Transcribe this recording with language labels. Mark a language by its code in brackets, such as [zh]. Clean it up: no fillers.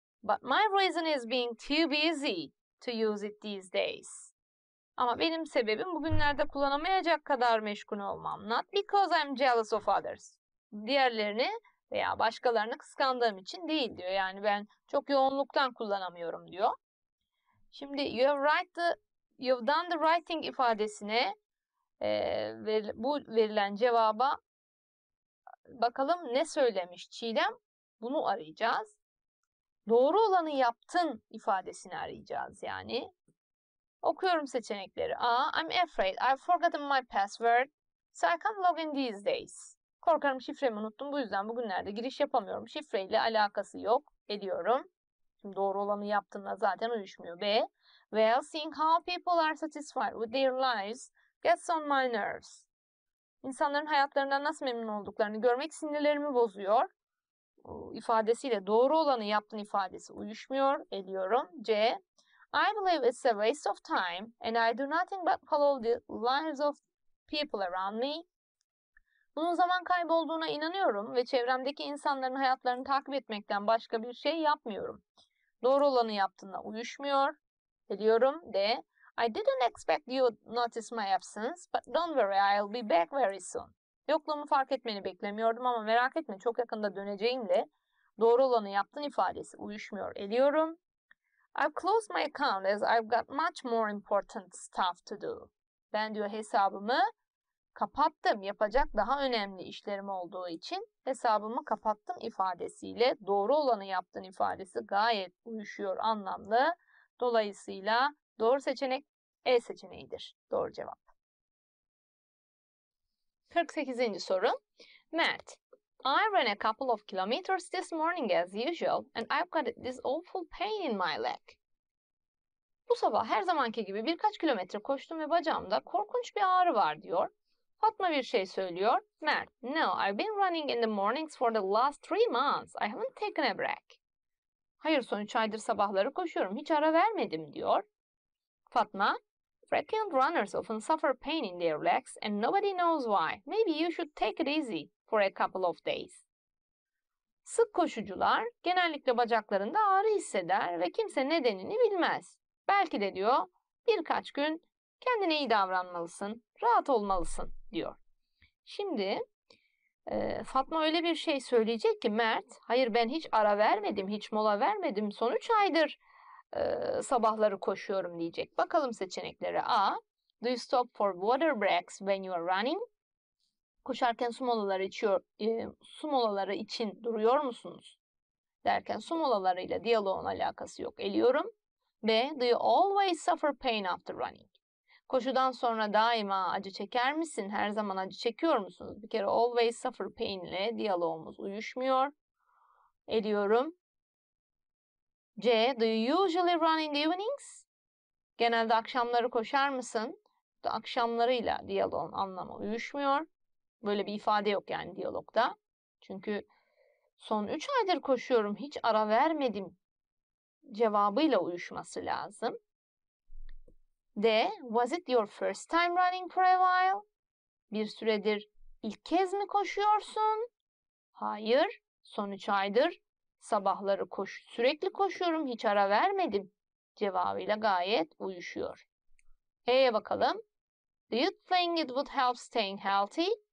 [en] But my reason is being too busy to use it these days. [tr] Ama benim sebebim bugünlerde kullanamayacak kadar meşgul olmam. [en] Not because I'm jealous of others. [tr] Diğerlerini veya başkalarını kıskandığım için değil diyor. Yani ben çok yoğunluktan kullanamıyorum diyor. Şimdi [en] you've done the right thing [tr] ifadesine bu verilen cevaba bakalım ne söylemiş Çiğdem? Bunu arayacağız. Doğru olanı yaptın ifadesini arayacağız yani. Okuyorum seçenekleri. A. [en] I'm afraid I've forgotten my password, so I can't log in these days. [tr] Korkarım şifremi unuttum. Bu yüzden bugünlerde giriş yapamıyorum. Şifreyle alakası yok. Ediyorum. Şimdi doğru olanı yaptığında zaten uyuşmuyor. B. [en] Well, seeing how people are satisfied with their lives gets on my nerves. [tr] İnsanların hayatlarından nasıl memnun olduklarını görmek sinirlerimi bozuyor. İfadesiyle doğru olanı yaptın ifadesi uyuşmuyor. Ediyorum. C. [en] I believe it's a waste of time and I do nothing but follow the lives of people around me. [tr] Bunun zaman kaybı olduğuna inanıyorum ve çevremdeki insanların hayatlarını takip etmekten başka bir şey yapmıyorum. Doğru olanı yaptığına uyuşmuyor. Biliyorum de. [en] I didn't expect you notice my absence, but don't worry, I'll be back very soon. [tr] Yokluğumu fark etmeni beklemiyordum ama merak etme, çok yakında döneceğim de. Doğru olanı yaptın ifadesi uyuşmuyor. Eliyorum. [en] I've closed my account as I've got much more important stuff to do. [tr] Ben diyor hesabımı kapattım. Yapacak daha önemli işlerim olduğu için hesabımı kapattım ifadesiyle doğru olanı yaptın ifadesi gayet uyuşuyor anlamlı. Dolayısıyla doğru seçenek E seçeneğidir. Doğru cevap. 48. soru. Mert. [en] I ran a couple of kilometers this morning as usual and I've got this awful pain in my leg. [tr] Bu sabah her zamanki gibi birkaç kilometre koştum ve bacağımda korkunç bir ağrı var diyor. Fatma bir şey söylüyor. [en] Mert, no, I've been running in the mornings for the last 3 months. I haven't taken a break. [tr] Hayır, son 3 aydır sabahları koşuyorum. Hiç ara vermedim diyor. [en] Fatma, frequent runners often suffer pain in their legs and nobody knows why. Maybe you should take it easy for a couple of days. [tr] Sık koşucular genellikle bacaklarında ağrı hisseder ve kimse nedenini bilmez. Belki de diyor, birkaç gün kendine iyi davranmalısın, rahat olmalısın diyor. Şimdi Fatma öyle bir şey söyleyecek ki Mert, hayır ben hiç ara vermedim, hiç mola vermedim, son 3 aydır sabahları koşuyorum diyecek. Bakalım seçenekleri. A. [en] Do you stop for water breaks when you are running? [tr] Koşarken su molaları içiyor, su molaları için duruyor musunuz? Derken su molalarıyla diyaloğun alakası yok. Eliyorum. B. [en] Do you always suffer pain after running? [tr] Koşudan sonra daima acı çeker misin? Her zaman acı çekiyor musunuz? Bir kere [en] always suffer pain [tr] ile diyaloğumuz uyuşmuyor. Eliyorum. [en] C. Do you usually run in the evenings? [tr] Genelde akşamları koşar mısın? Akşamlarıyla diyaloğun anlamı uyuşmuyor. Böyle bir ifade yok yani diyalogda. Çünkü son 3 aydır koşuyorum, hiç ara vermedim cevabıyla uyuşması lazım. D. [en] Was it your first time running for a while? [tr] Bir süredir ilk kez mi koşuyorsun? Hayır, son 3 aydır. Sabahları sürekli koşuyorum, hiç ara vermedim cevabıyla gayet uyuşuyor. E'ye bakalım. [en] Do you think it would help staying healthy?